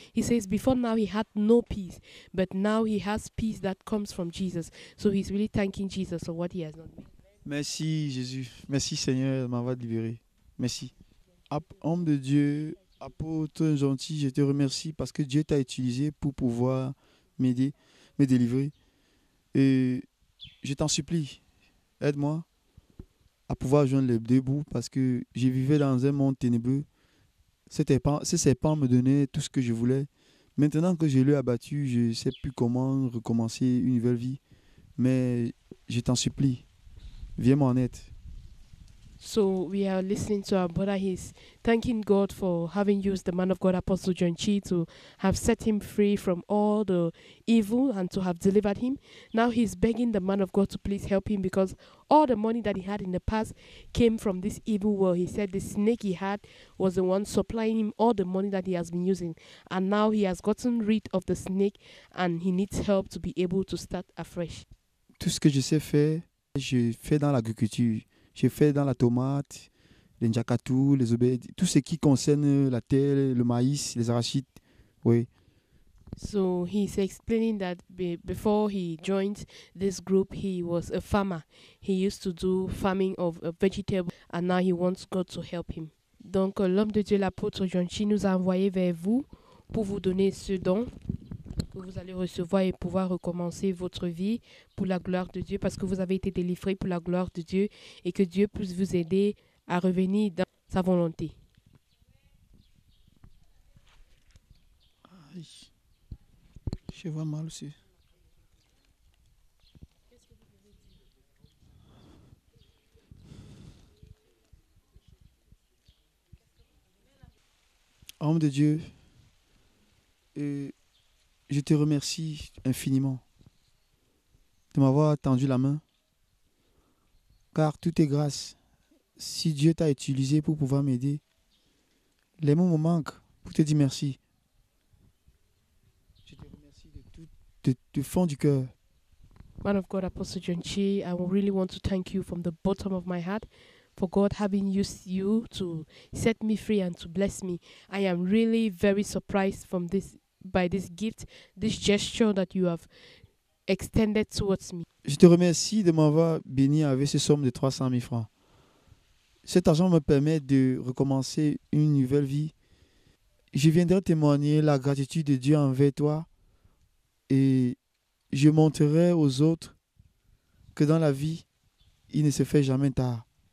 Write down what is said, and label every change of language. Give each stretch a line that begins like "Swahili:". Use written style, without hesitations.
English: He says before now he had no peace, but now he has peace that comes from Jesus. So he's really thanking Jesus for what he has done.
French: Merci Jésus, merci Seigneur de m'avoir libéré. Merci. Homme de Dieu, apôtre gentil, je te remercie parce que Dieu t'a utilisé pour pouvoir m'aider, me délivrer. Et je t'en supplie, aide-moi à pouvoir joindre les deux bouts, parce que je vivais dans un monde ténébreux. Ces serpents me donnaient tout ce que je voulais. Maintenant que je l'ai abattu, je ne sais plus comment recommencer une nouvelle vie. Mais je t'en supplie, viens m'en aide.
English: So we are listening to our brother. He's thanking God for having used the man of God, Apostle John Chi, to have set him free from all the evil and to have delivered him. Now he's begging the man of God to please help him, because all the money that he had in the past came from this evil world. He said the snake he had was the one supplying him all the money that he has been using. And now he has gotten rid of the snake and he needs help to be able to start afresh.
French: Tout ce que je sais faire, je fais dans l'agriculture. J'ai fait dans la tomate, les njakatou, les obèdes, tout ce qui concerne la terre, le maïs, les arachides, oui.
English: So he's explaining that before he joined this group, he was a farmer. He used to do farming of vegetables, and now he wants God to help him.
French: Donc l'homme de Dieu, l'apôtre Jean-Chi, nous a envoyé vers vous pour vous donner ce don que vous allez recevoir et pouvoir recommencer votre vie pour la gloire de Dieu, parce que vous avez été délivré pour la gloire de Dieu et que Dieu puisse vous aider à revenir dans sa volonté. Je vois mal aussi. Homme de Dieu, je te remercie infiniment de m'avoir tendu la main, car tout est grâce. Si Dieu t'a utilisé pour pouvoir m'aider, les mots me manquent pour te dire merci. Je te remercie de tout, du fond du cœur.
English: Man of God, Apostle John Chi, I really want to thank you from the bottom of my heart for God having used you to set me free and to bless me. I am really very surprised from this, by this gift, this gesture that you have extended towards me.
French: Je te remercie de m'avoir béni avec cette somme de 300 000 francs. Cet argent me permet de recommencer une nouvelle vie. Je viendrai témoigner la gratitude de Dieu envers toi et je montrerai aux autres que dans la vie, il ne se fait jamais tard.